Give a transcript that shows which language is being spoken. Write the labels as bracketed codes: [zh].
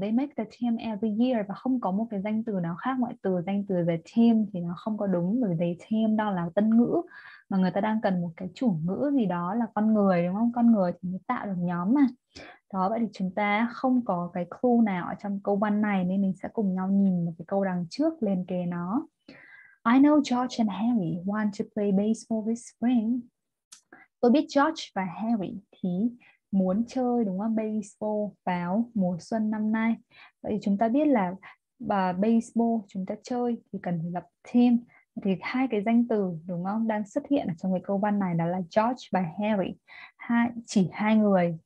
[en] They make the team every year, [vi] và không có một cái danh từ nào khác ngoại từ danh từ về team thì nó không có đúng, bởi vì team đang là tân ngữ mà người ta đang cần một cái chủ ngữ gì đó là con người, đúng không, con người thì mới tạo được nhóm mà đó. Vậy thì chúng ta không có cái clue nào ở trong câu văn này, nên mình sẽ cùng nhau nhìn một cái câu đằng trước liền kề nó. [en] I know George and Harry want to play baseball this spring. [vi] Tôi biết George và Harry thì muốn chơi, đúng không, baseball vào mùa xuân năm nay. Vậy thì chúng ta biết là baseball chúng ta chơi thì cần phải lập team. Thì hai cái danh từ, đúng không, đang xuất hiện ở trong cái câu văn này đó là George và Harry. Chỉ hai người.